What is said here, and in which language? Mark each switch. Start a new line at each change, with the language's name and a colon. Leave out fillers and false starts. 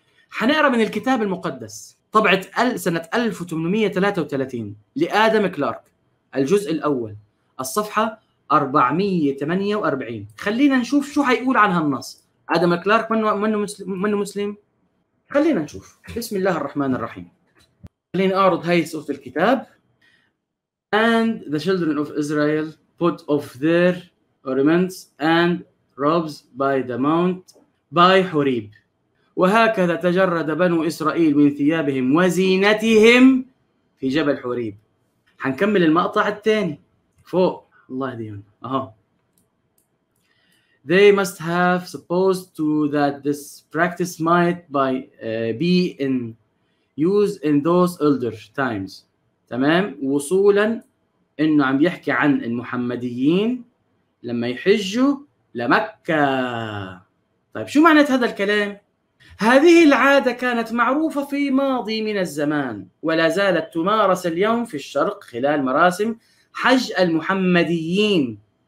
Arabic: حنقرأ من الكتاب المقدس طبعة سنة 1833 لآدم كلارك، الجزء الأول الصفحة 448. خلينا نشوف شو هيقول عن هالنص. آدم كلارك منه مسلم؟ خلينا نشوف. بسم الله الرحمن الرحيم، خلينا أعرض هاي صفحة الكتاب.
English: And the children of Israel put off their ornaments and robes by the mount by Horeb.
Arabic: وهكذا تجرد بنو إسرائيل من ثيابهم وزينتهم في جبل حوريب. هنكمل المقطع الثاني فوق. الله يهديهم. أها.
English: They must have supposed to that this practice might by be in use in those elder times.
Arabic: تمام، وصولا إنه عم يحكي عن المحمديين لما يحجوا لمكة. طيب شو معنى هذا الكلام؟ هذه العادة كانت معروفة في ماضي من الزمان ولا زالت تمارس اليوم في الشرق خلال مراسم حج المحمديين.